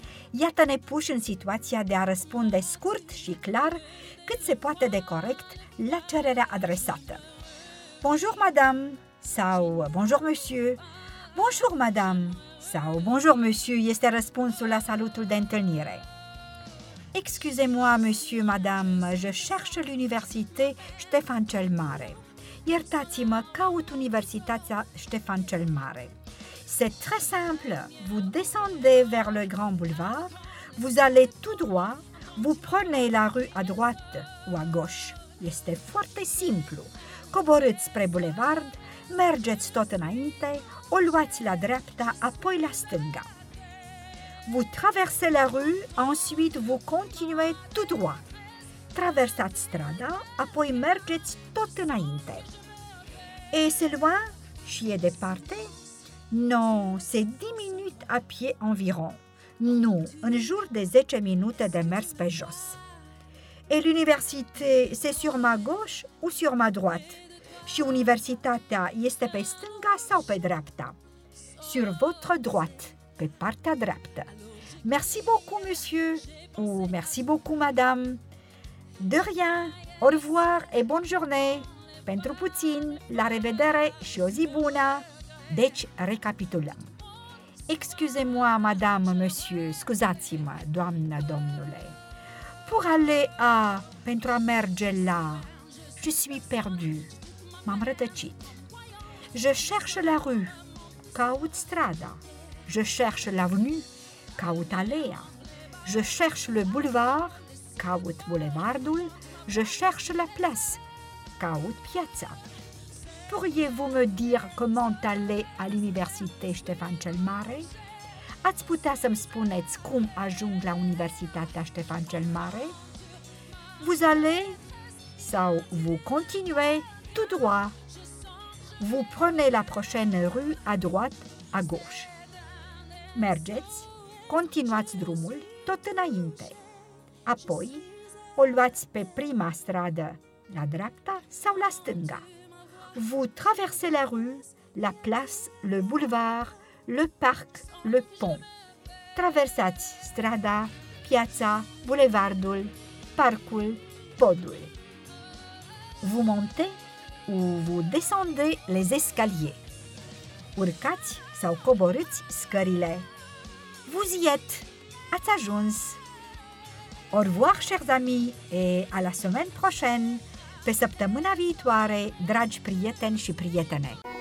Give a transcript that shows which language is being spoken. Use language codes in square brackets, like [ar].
[ro] Iată-ne puși în situația de a răspunde scurt și clar, cât se poate de corect, la cererea adresată. [fr] Bonjour, madame, [ro] sau [fr] bonjour, monsieur. Bonjour, madame, [ro] sau [fr] bonjour, monsieur, [ro] este răspunsul la salutul de întâlnire. [fr] Excusez-moi, monsieur, madame, je cherche l'université Ștefan cel Mare. [ro] Iertați-mă, caut Universitatea Ștefan cel Mare. [fr] C'est très simple, vous descendez vers le Grand Boulevard, vous allez tout droit, vous prenez la rue à droite ou à gauche. [ro] Este foarte simplu. Coborâți spre bulevard, mergeți tot înainte, o luați la dreapta, apoi la stânga. [fr] Vous traversez la rue, ensuite vous continuez tout droit. [ro] Traversați strada, apoi mergeți tot înainte. [fr] Et c'est loin? [ro] Și e departe? [fr] Non, c'est 10 minutes à pied environ. [ro] Non, în jur de 10 minute de mers pe jos. [fr] Et l'université, c'est sur ma gauche ou sur ma droite? [ro] Și universitatea este pe stânga sau pe dreapta? [fr] Sur votre droite, [ro] pe partea dreaptă. [fr] Merci beaucoup, monsieur, ou merci beaucoup, madame. De rien, au revoir et bonne journée. [ro] Pentru puțin, la revedere și o zi bună. Deci, recapitulăm. [fr] Excusez-moi, madame, monsieur, [ro] scuzați-mă, doamnă, domnule. [fr] Pour aller à, [ro] pentru a merge la, [fr] je suis perdu, [ro] m-am rătăcit. [fr] Je cherche la rue, [ro] caut strada. [fr] Je cherche l'avenue, [ro] caut alea. [fr] Je cherche le boulevard, [ro] caut boulevardul. [fr] Je cherche la place, [ro] caut piața. [fr] Pourriez-vous me dire comment aller à l'université Ștefan cel Mare? [ro] Ați putea să-mi spuneți cum ajung la Universitatea Ștefan cel Mare? [fr] Vous allez sau vous continuez tout droit. Vous prenez la prochaine rue à droite, à gauche. [ro] Mergeți, continuați drumul tot înainte. Apoi, o luați pe prima stradă, la dreapta sau la stânga. [fr] Vous traversez la rue, la place, le boulevard, le parc, le pont. [ro] Traversați strada, piața, bulevardul, parcul, podul. [fr] Vous montez ou vous descendez les escaliers. [ro] Urcați sau coborâți scările. [fr] Vous y êtes, [ro] ați ajuns. [fr] Au revoir, chers amis, et à la semaine prochaine. [ro] Pe săptămâna viitoare, dragi prieteni și prietene!